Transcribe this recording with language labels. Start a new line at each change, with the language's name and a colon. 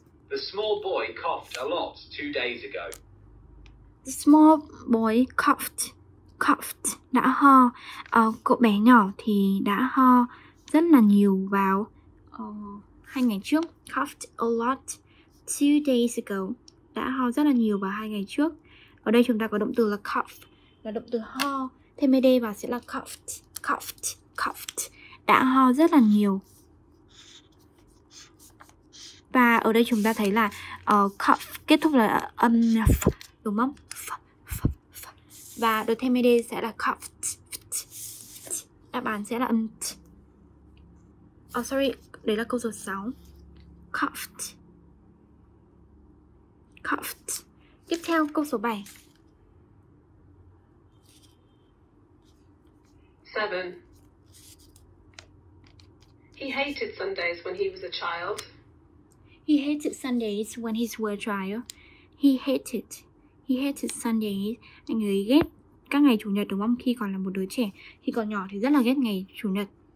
English: The small boy coughed a lot 2 days ago. The small boy coughed,
Vietnamese: đã ho. Cậu bé nhỏ thì đã ho rất là nhiều vào 2 ngày trước.
English: Coughed a lot 2 days ago.
Vietnamese: Đã ho rất là nhiều vào 2 ngày trước. Ở đây chúng ta có động từ là cough, là động từ ho, thêm ed vào sẽ là coughed. Đã ho rất là nhiều. Và ở đây chúng ta thấy là cough kết thúc là âm f, đúng không? F. Và đối thêm ed sẽ là coughed. Đáp án sẽ là âm t. Đấy là câu số 6. Coughed. Tiếp theo câu số 7.
English: 7. He hated Sundays when he was a child. He hated Sundays when he was a child. He hated Sundays.
Vietnamese: Anh ấy ghét các ngày chủ nhật, đúng không? Khi còn là một đứa trẻ, khi còn nhỏ thì rất là ghét ngày chủ nhật.